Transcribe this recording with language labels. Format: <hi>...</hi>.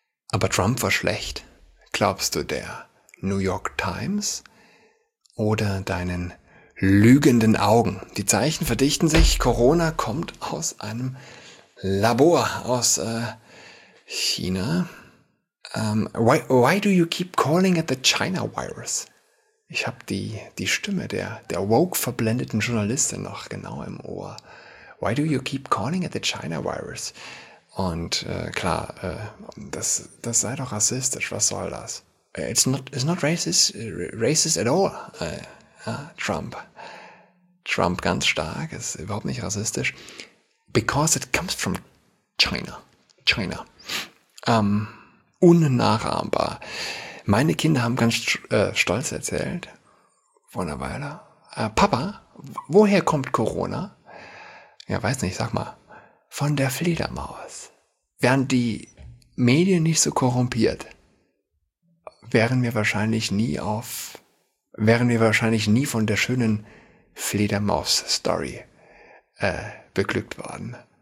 <de>Aber Trump war schlecht. Glaubst du der New York Times oder deinen lügenden Augen? Die Zeichen verdichten sich. Corona kommt aus einem Labor aus China.</de> <en>Why do you keep calling it the China virus?</en> <de>Ich habe die Stimme der woke-verblendeten Journalistin noch genau im Ohr.</de> <en>Why do you keep calling it the China virus?</en> <de>Und klar, das sei doch rassistisch. Was soll das?</de> <en>It's not racist at all.</en> <de>Trump ganz stark, ist überhaupt nicht rassistisch.</de> <en>Because it comes from China.</en> <de>Unnachahmbar. Meine Kinder haben ganz stolz erzählt, vor einer Weile. Papa, woher kommt Corona? Ja, weiß nicht, sag mal. Von der Fledermaus. Wären die Medien nicht so korrumpiert, wären wir wahrscheinlich nie von der schönen Fledermaus-Story beglückt worden.</de>